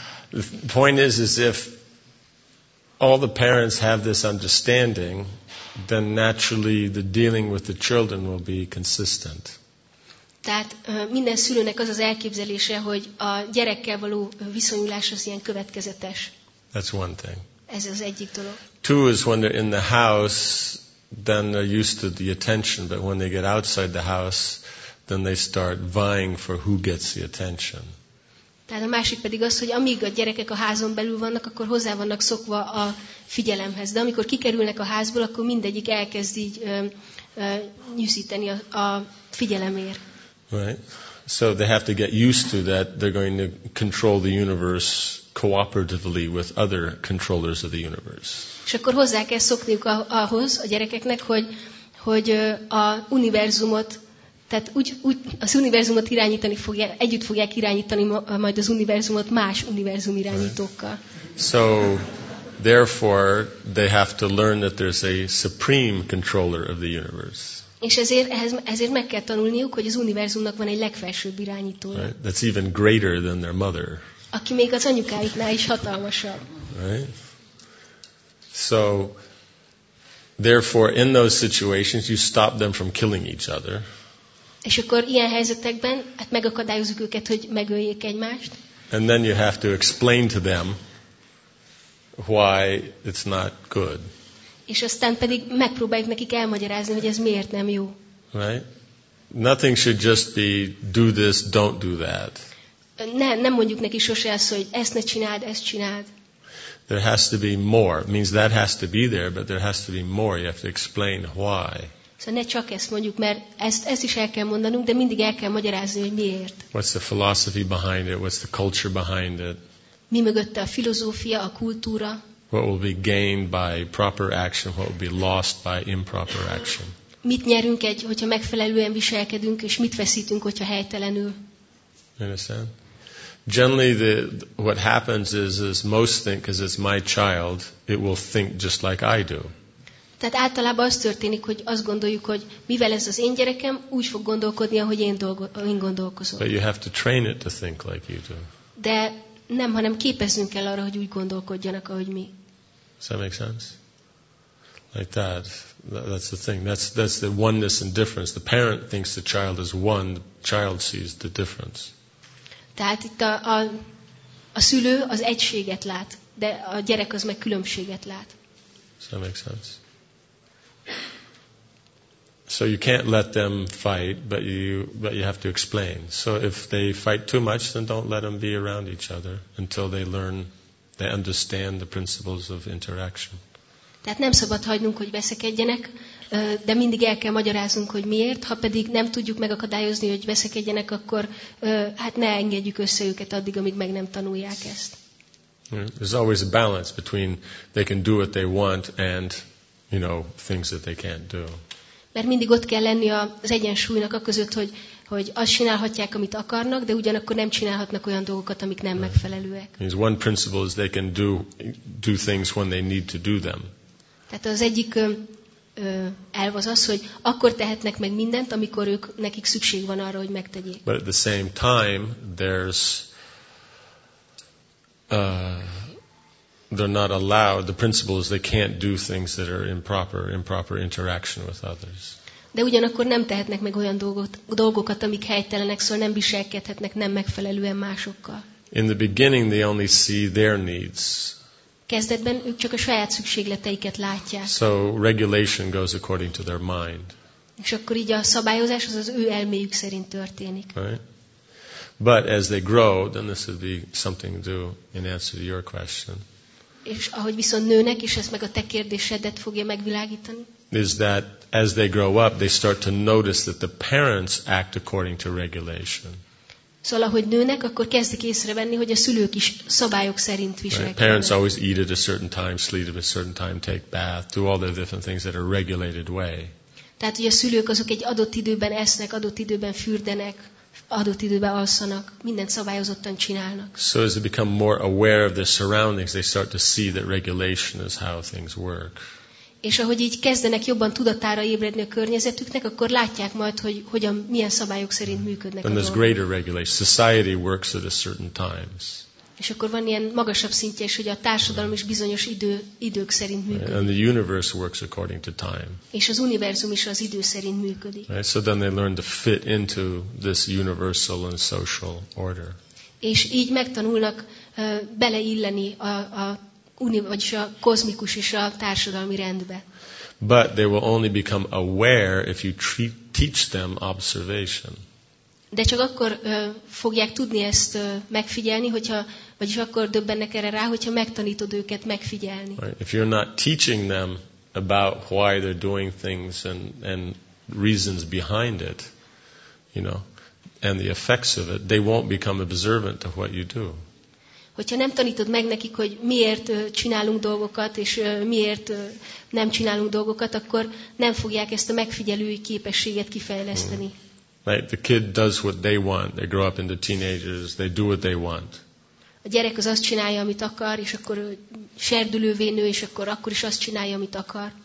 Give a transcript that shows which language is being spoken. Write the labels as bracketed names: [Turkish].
[English] The point is if all the parents have this understanding, then naturally the dealing with the children will be consistent. [Hungarian] Tehát minden szülőnek az az elképzelése, hogy a gyerekkel való viszonyulás az ilyen következetes. [English] That's one thing. [Hungarian] Ez az egyik dolog. [English] Two is when they're in the house, then they're used to the attention, but when they get outside the house, then they start vying for who gets the attention. [Hungarian] Tehát a másik pedig az, hogy amíg a gyerekek a házon belül vannak, akkor hozzá vannak szokva a figyelemhez. De amikor kikerülnek a házból, akkor mindegyik elkezd így nyűszíteni a figyelemért. [English] Right. So they have to get used to that they're going to control the universe cooperatively with other controllers of the universe. [Hungarian] És akkor hozzá kell szokniuk ahhoz a gyerekeknek, hogy a univerzumot, tehát úgy az univerzumot irányítani fogják, együtt fogják irányítani majd az univerzumot más univerzum irányítókkal. [English] So therefore they have to learn that there's a supreme controller of the universe. [Hungarian] És ezért meg kell tanulniuk, hogy az univerzumnak van egy legfelsőbb irányítója. [English] Right. That's even greater than their mother. [Hungarian] Aki még az anyukáiknál is hatalmasabb. [English] Right. So therefore in those situations you stop them from killing each other. [Hungarian] És akkor ilyen helyzetekben hát megakadályozzuk őket, hogy megöljék egymást. [English] And then you have to explain to them why it's not good. [Hungarian] És aztán pedig megpróbáljuk nekik elmagyarázni, hogy ez miért nem jó. [English] Right? Nothing should just be do this, don't do that. [Hungarian] Nem mondjuk neki sose azt, hogy ezt ne csináld, ezt csináld. [English] There has to be more. It means that has to be there, but there has to be more. You have to explain why. [Hungarian] Szóval ne csak ezt mondjuk, mert ezt is el kell mondanunk, de mindig el kell magyarázni, hogy miért. [English] What's the philosophy behind it? What's the culture behind it? [Hungarian] Mi mögötte a filozófia, a kultúra? [English] What will be gained by proper action? What will be lost by improper action? [Hungarian] Mit nyerünk egy, hogyha megfelelően viselkedünk, és mit veszítünk, hogyha helytelenül? [English] You understand? Generally, what happens is most think, because it's my child, it will think just like I do. [Hungarian] Tehát általában az történik, hogy azt gondoljuk, hogy mivel ez az én gyerekem, úgy fog gondolkodni, ahogy én gondolkozom. [English] But you have to train it to think like you do. [Hungarian] De nem, hanem képeznünk kell arra, hogy úgy gondolkodjanak, ahogy mi. [English] Does that make sense? Like that. That's the thing. That's the oneness and difference. The parent thinks the child is one. The child sees the difference. [Hungarian] Tehát itt a szülő az egységet lát, de a gyerek az meg különbséget lát. [English] Does that make sense? So you can't let them fight, but you have to explain. So if they fight too much, then don't let them be around each other until they learn, they understand the principles of interaction. [Hungarian] Tehát nem szabad hagynunk, hogy veszekedjenek, de mindig el kell magyaráznunk, hogy miért. Ha pedig nem tudjuk megakadályozni, hogy veszekedjenek, akkor hát ne engedjük össze őket addig, amíg meg nem tanulják ezt. [English] There's always a balance between they can do what they want and, you know, things that they can't do. [Hungarian] Mert mindig ott kell lenni az egyensúlynak a között, hogy azt csinálhatják, amit akarnak, de ugyanakkor nem csinálhatnak olyan dolgokat, amik nem megfelelőek. [English] Means one principle is they can do things when they need to do them. [Hungarian] Tehát az egyik elv az az, hogy akkor tehetnek meg mindent, amikor ők nekik szükség van arra, hogy megtegyék. [English] But at the same time, there's they're not allowed, the principle is they can't do things that are improper interaction with others. [Hungarian] De ugyanakkor nem tehetnek meg olyan dolgokat, amik helytelenek, szóval nem viselkedhetnek nem megfelelően másokkal. [English] In the beginning they only see their needs. [Hungarian] Kezdetben ők csak a saját szükségleteiket látják. [English] So regulation goes according to their mind. [Hungarian] És akkor így a szabályozás az ő elméjük szerint történik. [English] Right? But as they grow, then this would be something to do in answer to your question. [Hungarian] És ahogy viszont nőnek, és ez meg a te kérdésedet fogja megvilágítani. [English] Is that as they grow up, they start to notice that the parents act according to regulation. [Hungarian] Szóval ahogy nőnek, akkor kezdik észrevenni, hogy a szülők is szabályok szerint viselkednek. [English] Right. Parents always eat at a certain time, sleep at a certain time, take bath, do all the different things that are regulated way. [Hungarian] Tehát hogy a szülők azok egy adott időben esznek, adott időben fürdenek, adott időben alszanak, mindent szabályozottan csinálnak. [English] So as they become more aware of their surroundings, they start to see that regulation is how things work. [Hungarian] És ahogy így kezdenek jobban tudatára ébredni a környezetüknek, akkor látják majd, hogy milyen szabályok szerint működnek. [English] And there's greater regulation. Society works at a certain times. [Hungarian] És akkor van ilyen magasabb szintje is, hogy a társadalom is bizonyos idők szerint működik. [English] And the universe works according to time. [Hungarian] És az univerzum is az idő szerint működik. [English] Right? So then they learn to fit into this universal and social order. [Hungarian] És így megtanulnak beleilleni a kozmikus és a társadalmi rendbe. [English] But they will only become aware if you teach them observation. [Hungarian] De csak akkor fogják tudni ezt megfigyelni, vagyis akkor döbbennek erre rá, hogyha megtanítod őket megfigyelni. [English] Right. If you're not teaching them about why they're doing things and reasons behind it, you know, and the effects of it, they won't become observant of what you do. [Hungarian] Hogyha nem tanítod meg nekik, hogy miért csinálunk dolgokat, és miért nem csinálunk dolgokat, akkor nem fogják ezt a megfigyelői képességet kifejleszteni. [English] Like the kid does what they want. They grow up into teenagers. They do what they want. [Hungarian] A gyerek az azt csinálja, amit akar, és akkor serdülővé nő, és akkor is azt csinálja, amit akar.